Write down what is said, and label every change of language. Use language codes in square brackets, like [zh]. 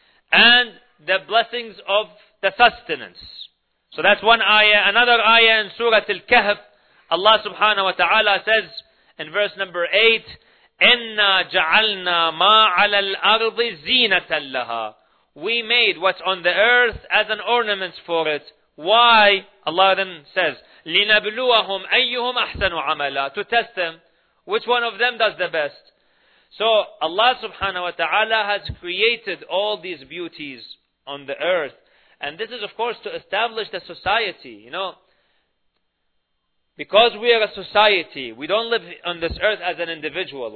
[en] And the blessings of the sustenance. So that's one ayah. Another ayah in Surah Al-Kahf, Allah subhanahu wa ta'ala says in verse number 8, [ar] إِنَّا جَعَلْنَا مَا عَلَى الْأَرْضِ زِينَةً لَهَا. [en] We made what's on the earth as an ornament for it. Why? Allah then says, [ar] لِنَبْلُوَهُمْ أَيُّهُمْ أَحْسَنُ عَمَلًا. [en] To test them, which one of them does the best. So Allah subhanahu wa ta'ala has created all these beauties on the earth. And this is, of course, to establish the society, you know. Because we are a society, we don't live on this earth as an individual.